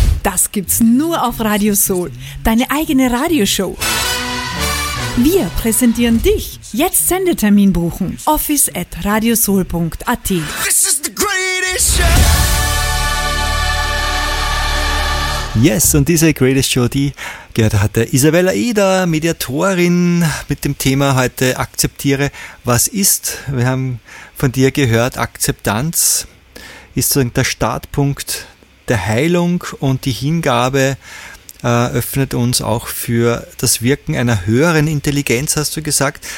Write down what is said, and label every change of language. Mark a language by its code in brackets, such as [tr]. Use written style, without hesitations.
[de] Das gibt's nur auf Radio Soul, deine eigene Radioshow. Wir präsentieren dich. Jetzt Sendetermin buchen. office@radiosoul.at. [en] This is the greatest show. [de] Yes, und diese Greatest Show, die gehört hatte Isabella Eder, Mediatorin, mit dem Thema heute Akzeptiere, was ist? Wir haben von dir gehört, Akzeptanz ist sozusagen der Startpunkt der Heilung und die Hingabe öffnet uns auch für das Wirken einer höheren Intelligenz, hast du gesagt.